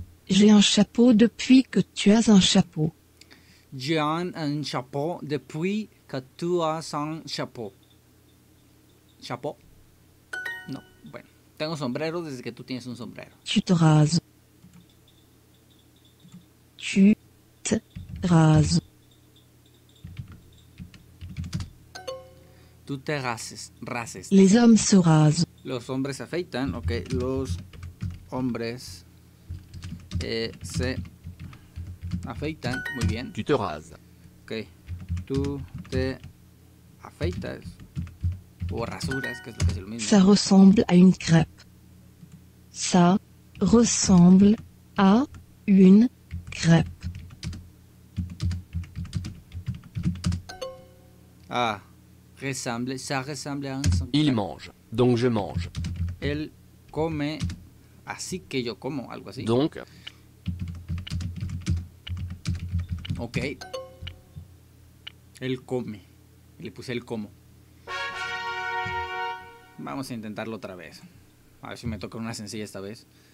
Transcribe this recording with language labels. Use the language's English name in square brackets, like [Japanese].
[French] J'ai un chapeau depuis que tu as un chapeau. J'ai un chapeau depuis que tu as un chapeau. Chapeau. [Spanish] Tengo sombrero desde que tú tienes un sombrero. [French] Tu te rases. Tu te rases. Tu te rases. Rases. Les hommes se rasent. [Spanish] Los hombres se afeitan. Ok. Los hombres se afeitan. Muy bien. [French] Tu te rases. [Spanish] Ok. Tu te afeitas. O rasuras, que es lo que es lo mismo. [French] Ça ressemble à une crêpe. Ça ressemble à une crêpe. Ah, ressemble, ça ressemble à une crêpe. Il mange, donc je mange. [Spanish] Elle come, así que yo como, algo así. [French] Donc. [Spanish] Ok. Elle come. Le puse el como. Vamos a intentarlo otra vez. A ver si me toca una sencilla esta vez.